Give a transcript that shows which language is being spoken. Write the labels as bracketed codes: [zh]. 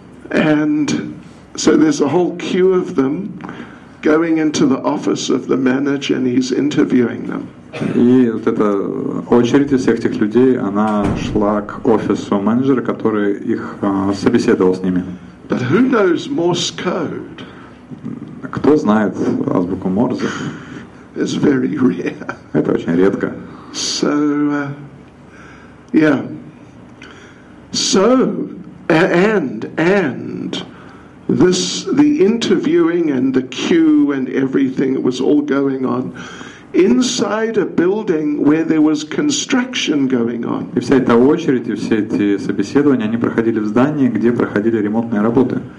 [en] And so there's a whole queue of them going into the office of the manager, and he's interviewing them. [ru] И вот эта очередь из всех этих людей, она шла к офису менеджера, который их собеседовал с ними. [en] But who knows Morse code? [ru] Кто знает азбуку Морзе? [en] It's very rare. [ru] Это очень редко. [en] So, yeah. So, and this, the interviewing and the queue and everything, it was all going on inside a building where there was construction going on. [ru] И вся эта очередь, и все эти собеседования, они проходили в здании, где проходили ремонтные работы.